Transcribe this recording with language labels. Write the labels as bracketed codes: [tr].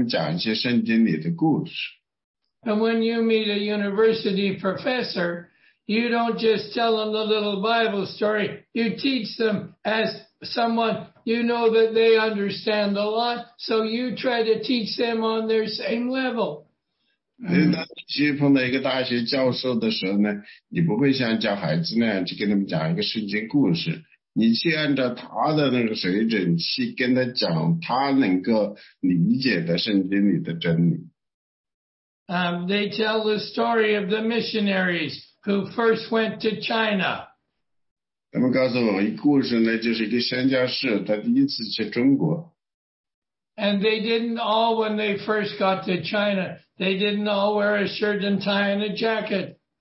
[zh] 因为当你向一个小孩子教圣经的时候呢，你不会说我会教你们这圣经里那种很深的真理，你只是跟他们讲一些圣经里的故事。 [en] And when you meet a university professor, you don't just tell them the little Bible story. You teach them as someone you know that they understand a lot, so you try to teach them on their same level. [zh] 当你碰到一个大学教授的时候呢，你不会像教孩子那样去跟他们讲一个圣经故事，你去按照他的那个水准去跟他讲他能够理解的圣经里的真理。 [en] They tell the story of the missionaries who first went to China. [zh] 他们告诉我一故事呢，就是一个宣教士，他第一次去中国。 [en] And they didn't all, when they first got to China, they didn't all wear a shirt and tie and a jacket.